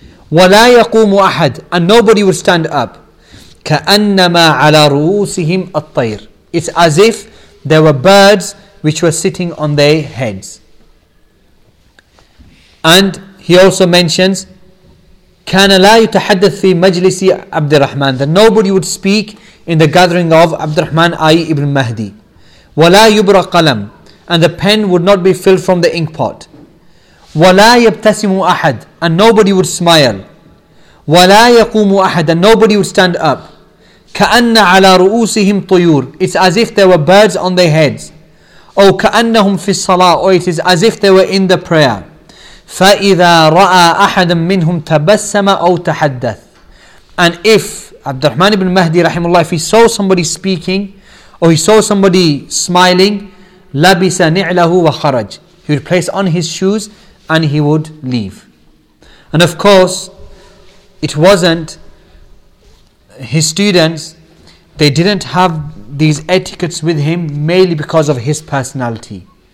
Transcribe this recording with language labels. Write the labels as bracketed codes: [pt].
[ar] ولا يقوم أحد, [en] and nobody would stand up, [ar] كأنما على رؤوسهم الطير, [en] it's as if there were birds which were sitting on their heads. And he also mentions [ar] كان لا يتحدث في مجلس عبد الرحمن. [en] That nobody would speak in the gathering of عبد الرحمن i.e. [ar] Ibn Mahdi. ولا يبرى قلم. [en] And the pen would not be filled from the ink pot. [ar] ولا يبتسم أحد. [en] And nobody would smile. [ar] ولا يقوم أحد. [en] And nobody would stand up. [ar] كأن على رؤوسهم طيور. [en] It's as if there were birds on their heads. [ar] أو كأنهم في الصلاة. [en] Or it is as if they were in the prayer. [ar] فإذا رأى أحدا منهم تبسم أو تحدث. [en] And if عبد الرحمن بن مهدي رحمه الله, if he saw somebody speaking or he saw somebody smiling, [ar] لبس نعله وخرج. [en] He would place on his shoes and he would leave. And of course, it wasn't his students, they didn't have these etiquettes with him mainly because of his personality.